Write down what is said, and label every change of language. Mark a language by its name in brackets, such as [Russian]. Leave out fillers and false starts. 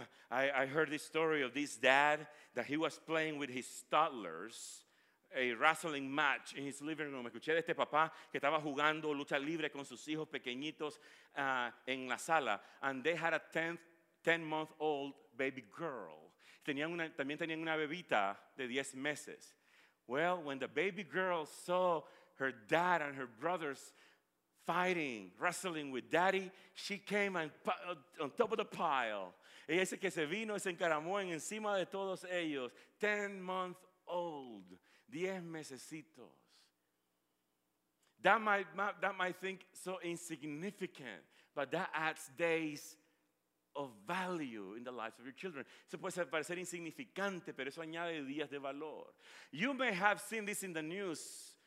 [English] I heard this story of this dad that he was playing with his toddlers a wrestling match in his living room. [Spanish] Escuché de este papá que estaba jugando lucha libre con sus hijos pequeñitos en la sala. [English] And they had a 10-month-old baby girl. [Spanish] También tenían una bebita de 10 meses. [English] Well, when the baby girl saw her dad and her brothers fighting, wrestling with daddy, she came on top of the pile. [Spanish] Ella dice que se vino y se encaramó en encima de todos ellos. [English] 10 months old, [Spanish] 10 mesecitos. [English] That might think so insignificant, but that adds days of value in the lives of your children. [Spanish] Eso puede parecer insignificante, pero eso añade días de valor. [English] You may have seen this in the news.